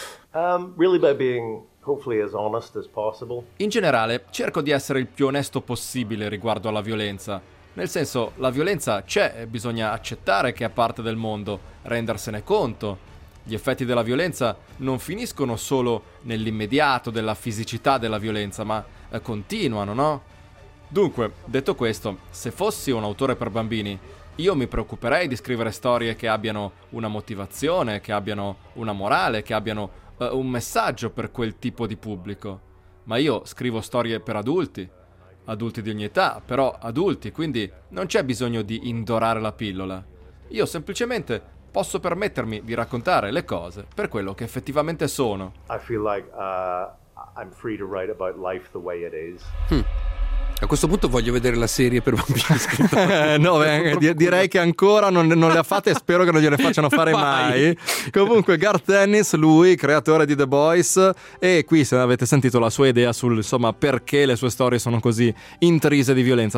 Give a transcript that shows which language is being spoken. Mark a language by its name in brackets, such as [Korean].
[English] Really by being hopefully as honest as possible. [Italian] In generale, cerco di essere il più onesto possibile riguardo alla violenza. Nel senso, la violenza c'è, bisogna accettare che è parte del mondo, rendersene conto. Gli effetti della violenza non finiscono solo nell'immediato della fisicità della violenza, ma continuano, no? Dunque, detto questo, se fossi un autore per bambini, io mi preoccuperei di scrivere storie che abbiano una motivazione, che abbiano una morale, che abbiano un messaggio per quel tipo di pubblico. Ma io scrivo storie per adulti, adulti di ogni età, però adulti, quindi non c'è bisogno di indorare la pillola. Io semplicemente posso permettermi di raccontare le cose per quello che effettivamente sono. [English] I feel like I'm free to write about life the way it is. [Italian] A questo punto voglio vedere la serie per bambini scritta. No, beh, direi che ancora non le ha fatte e spero che non gliele facciano fare mai. Comunque, Garth Ennis, lui, creatore di The Boys, e qui se avete sentito la sua idea sul, insomma, perché le sue storie sono così intrise di violenza.